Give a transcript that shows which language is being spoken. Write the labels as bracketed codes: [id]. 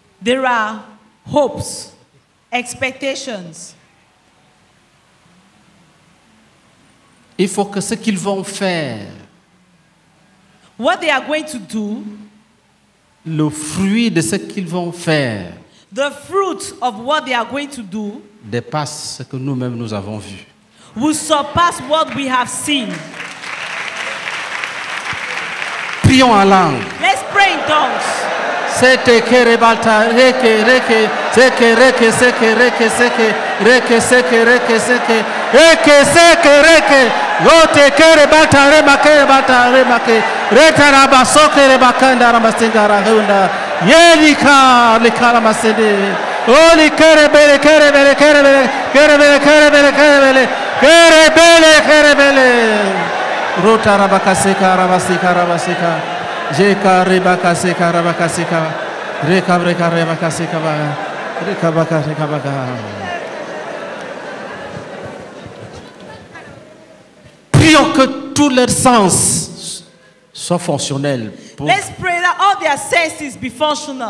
[en] There are hopes, expectations. [fr] Il faut que ce qu'ils vont faire, [en] what they are going to do, [fr] le fruit de ce qu'ils vont faire, [en] the fruit of what they are going to do, [fr] dépasse ce que nous-mêmes nous avons vu. [en] Will surpass what we have seen. [fr] Prions en langue. [en] Let's pray in tongues. Sete kerebalta reke reke seke reke seke reke seke reke seke reke seke reke seke reke yote kerebalta remake balta remake retara basoke rebakanda ramasinga rahunda yelika likala masede oli kerebele kerebele kerebele kerebele kerebele kerebele kerebele kerebele rota rabakaseka rabasika rabasika Jeka rebaka seka rebaka seka reka reka rebaka seka ba reka baka reka baka. [fr] Prions que tous leurs sens soient fonctionnels pour. [en] Let's pray that all their senses be functional.